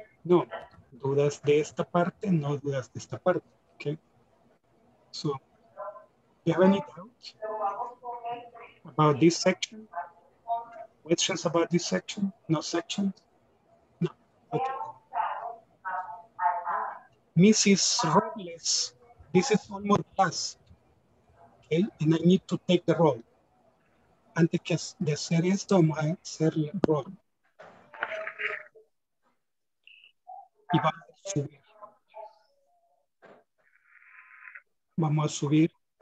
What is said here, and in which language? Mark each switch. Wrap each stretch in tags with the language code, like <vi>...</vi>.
<es>No, dudas de esta parte, no dudas de esta parte. Okay.</es> <en>So, you have any doubts about this section? Questions about this section? No section? No. Okay. Mrs. Robles, this is one more class. Okay, and I need to take the role.</en> <es>Antes que de hacer esto, vamos a hacer el role. Y vamos a subir.</es>